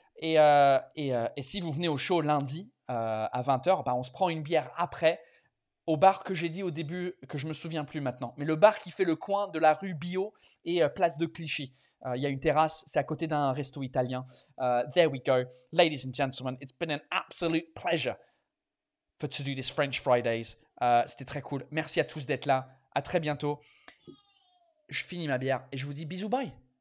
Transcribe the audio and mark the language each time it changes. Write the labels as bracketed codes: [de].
[fr] Et si vous venez au show lundi à 20h, bah on se prend une bière après. Au bar que j'ai dit au début, que je ne me souviens plus maintenant. Mais le bar qui fait le coin de la rue Bio et Place de Clichy. Il y a une terrasse, c'est à côté d'un resto italien. [en] There we go. Ladies and gentlemen, it's been an absolute pleasure to do this French Fridays. [fr] C'était très cool. Merci à tous d'être là. À très bientôt. Je finis ma bière et je vous dis bisous, bye.